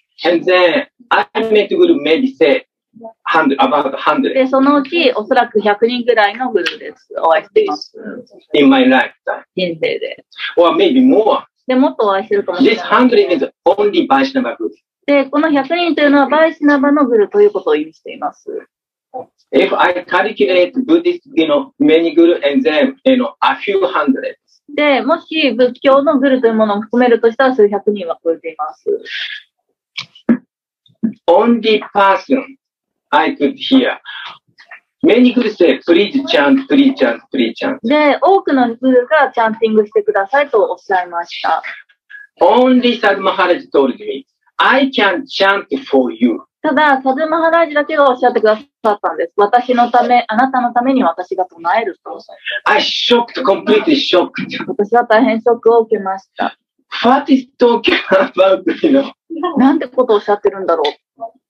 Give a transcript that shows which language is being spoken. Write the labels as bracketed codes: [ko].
[en] And then I met group maybe say. About 100. [ja] で、そのうち、おそらく100人ぐらいのグルーです。お会いしています。 [en] In my lifetime. [ja] 人生で。 [en] Or maybe more. [ja] で、もっとお会いするかもしれない。 [en] This 100 is only Vaishnava group. [ja] で、この100人というのは、バイシナバのグルーということを意味しています。 [en] If I calculate Buddhist, you know, many guru and then, you know, a few hundred. [ja] で、もし仏教のグルーというものを含めるとしたら、数百人は超えています。 [en] Only person. I could hear. Many guru say, please chant, please chant, please chant. [ja] で、多くのグルがチャンティングしてくださいとおっしゃいました。 [en] Only Sadhu Maharaj told me, I can chant for you. [ja] ただ、Sadhu Maharaj だけがおっしゃってくださったんです。私のため、あなたのために私が唱えると。 [en] I shocked, completely shocked. [ja] 私は大変ショックを受けました。 [en] What is talking about, you know? [ja] なんてことをおっしゃってるんだろう。